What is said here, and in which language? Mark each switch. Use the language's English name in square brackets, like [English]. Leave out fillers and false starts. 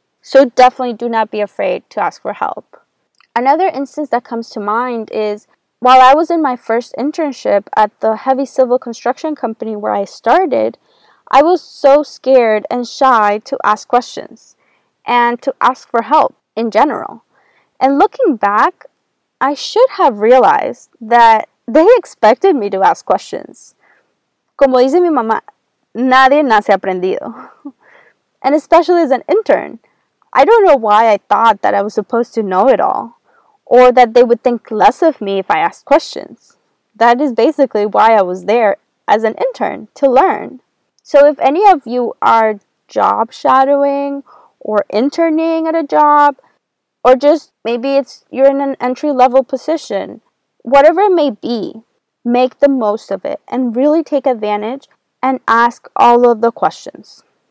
[English] So definitely do not be afraid to ask for help. Another instance that comes to mind is while I was in my first internship at the heavy civil construction company where I started, I was so scared and shy to ask questions and to ask for help in general. And looking back, I should have realized that they expected me to ask questions. [Spanish] Como dice mi mamá, nadie nace aprendido. [English] And especially as an intern, I don't know why I thought that I was supposed to know it all or that they would think less of me if I asked questions. That is basically why I was there as an intern, to learn. So if any of you are job shadowing or interning at a job, or just maybe it's you're in an entry-level position, whatever it may be, make the most of it and really take advantage and ask all of the questions.